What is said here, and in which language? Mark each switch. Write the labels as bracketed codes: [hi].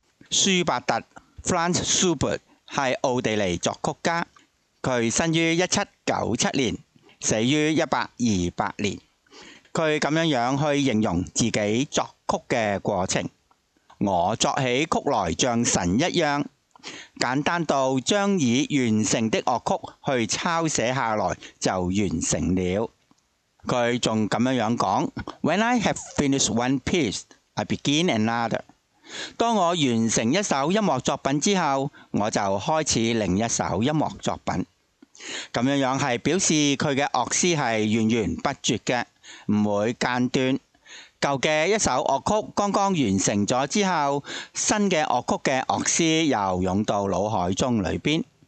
[zh] 舒伯特 Franz Schubert 是奥地利作曲家，他生于1797年，死于1828年。他这样去形容自己作曲的过程：我作起曲来像神一样，简单到将已完成的乐曲去抄写下来就完成了。 [en] 他还这样说： When I have finished one piece, I begin another. [zh] 当我完成一首音乐作品之后，我就开始另一首音乐作品。这样是表示他的乐师是源源不绝的，不会间断。旧的一首乐曲刚刚完成了之后，新的乐曲的乐师又涌到脑海中里边。